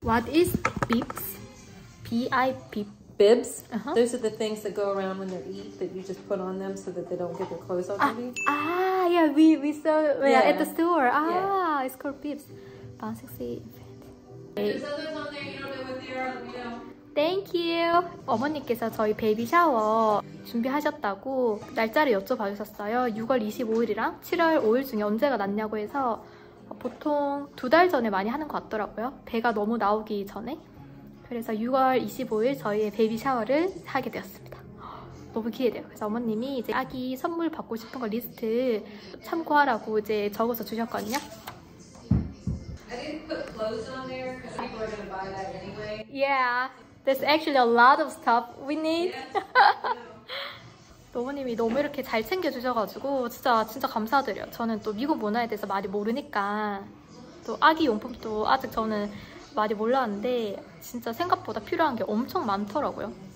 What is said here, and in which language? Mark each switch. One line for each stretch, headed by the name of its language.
English: What is bibs? B-I-B. Bibs? Uh-huh. Those are the things that go around when they eat that you just put on them so that they don't get their clothes off. Ah, yeah, we saw it at the store. Ah, yeah. It's called bibs. Bouncing seat. There's others on there, you don't know what they are, let me know. Thank you.
Korean: 어머니께서 저희 베이비 샤워 준비하셨다고 날짜를 여쭤봐 주셨어요. 6월 25일이랑 7월 5일 중에 언제가 낫냐고 해서 보통 두 달 전에 많이 하는 것 같더라고요. 배가 너무 나오기 전에. 그래서 6월 25일 저희의 베이비 샤워를 하게 되었습니다. 너무 기대돼요. 그래서 어머님이 이제 아기 선물 받고 싶은 거 리스트 참고하라고 이제 적어서 주셨거든요.
English: I didn't put clothes on there because people are going to buy that anyway. Yeah. There's actually a lot of stuff we need.
Korean: Yeah, 어머님이 너무 이렇게 잘 챙겨주셔가지고 진짜 감사드려요. 저는 또 미국 문화에 대해서 많이 모르니까 또 아기 용품도 아직 저는 많이 몰랐는데 진짜 생각보다 필요한 게 엄청 많더라고요.